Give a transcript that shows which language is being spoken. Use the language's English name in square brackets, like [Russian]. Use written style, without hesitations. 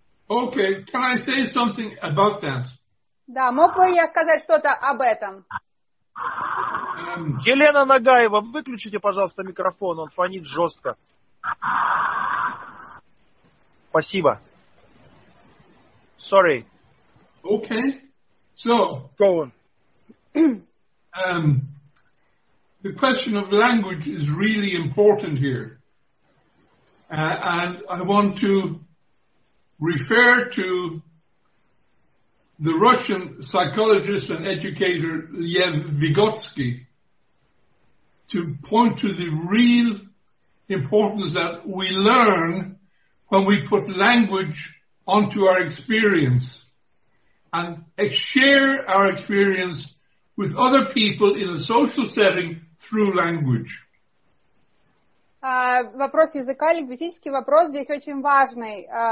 [English] Okay, can I say something about that? [Russian] Да, мог бы я сказать что-то об этом? Елена Нагаева, выключите, пожалуйста, микрофон, он фонит жестко. Спасибо. [English] Sorry. Okay, so... Go on. The question of language is really important here, and I want to refer to the Russian psychologist and educator Lev Vygotsky to point to the real importance that we learn when we put language onto our experience and share our experience with other people in a social setting through language. [Russian] Вопрос языка, лингвистический вопрос здесь очень важный.